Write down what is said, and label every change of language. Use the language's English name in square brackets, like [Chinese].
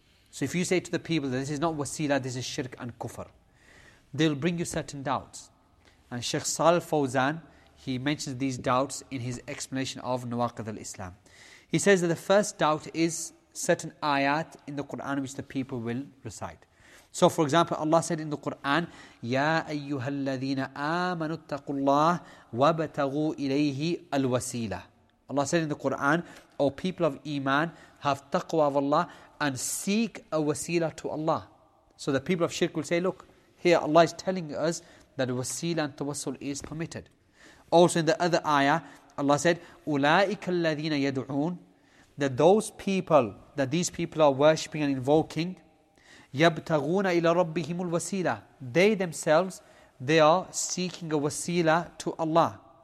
[English] So if you say to the people that this is not wasila, this is shirk and kufr, they'll bring you certain doubts. And Sheikh Sal Fawzan, he mentions these doubts in his explanation of Nawaqid al-Islam. He says that the first doubt is certain ayat in the Qur'an which the people will recite. So for example, Allah said in the Qur'an, [Arabic] يَا أَيُّهَا الَّذِينَ آمَنُوا اتَّقُوا اللَّهِ وَبَتَغُوا إِلَيْهِ الْوَسِيلَةِ. [English] Allah said in the Qur'an, O people of Iman, have taqwa of Allah and seek a wasila to Allah. So the people of shirk will say, look, here Allah is telling us that wasila and tawassul is permitted. Also in the other ayah, Allah said, [Arabic] أُولَٰئِكَ الَّذِينَ يَدْعُونَ, [English] that those people, that these people are worshipping and invoking, [Arabic] يَبْتَغُونَ إِلَىٰ رَبِّهِمُ الْوَسِيلَةِ, [English] they themselves, they are seeking a wasila to Allah.